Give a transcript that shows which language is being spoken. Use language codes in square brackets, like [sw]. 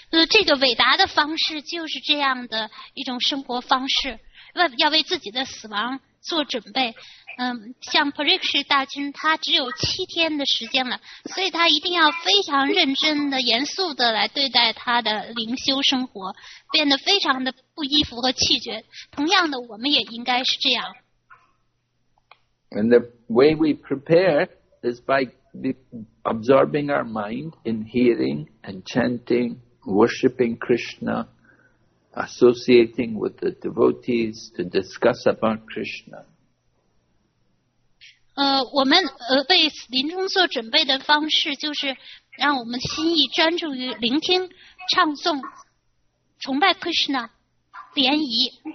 [zh] 这个伟达的方式就是这样的一种生活方式，要为自己的死亡做准备。像 Parikshit 大军他只有7天的时间了，所以他一定要非常认真的严肃的来对待他的灵修生活，变得非常的不依附和气绝。同样的，我们也应该是这样。 [en] And the way we prepare is by absorbing our mind in hearing and chanting, worshipping Krishna, associating with the devotees to discuss about Krishna. [zh] 我们为临终做准备的方式就是让我们心意专注于聆听、唱诵、崇拜 Krishna, 联谊。